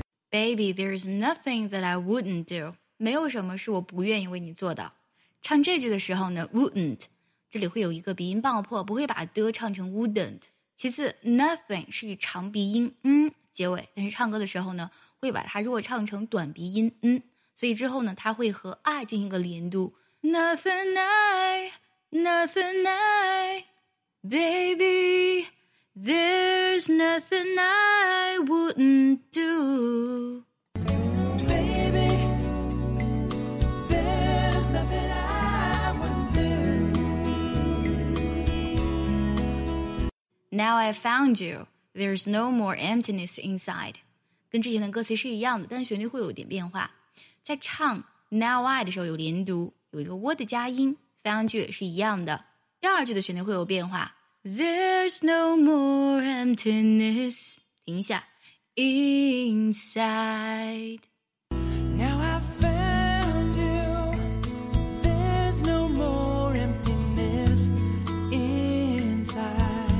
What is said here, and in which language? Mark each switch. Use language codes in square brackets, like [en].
[en] Baby, there is nothing that I wouldn't do. [zh] 没有什么是我不愿意为你做的。唱这句的时候呢 ,wouldn't, 这里会有一个鼻音爆破不会把的唱成 wouldn't。其次 ,nothing 是以长鼻音嗯结尾但是唱歌的时候呢会把它如果唱成短鼻音嗯所以之后呢它会和 I 进行一个连读。 [en] Nothing I, baby,There's nothing I wouldn't do Baby There's nothing I wouldn't do Now I found you There's no more emptiness inside [zh] 跟之前的歌词是一样的但旋律会有点变化在唱 [en] Now I [zh] 的时候有连读有一个 wo 的加音 [en] Found you [zh] 是一样的第二句的旋律会有变化 [en] There's no more emptiness [zh] 停一下 [en] Inside Now I found you There's no more emptiness Inside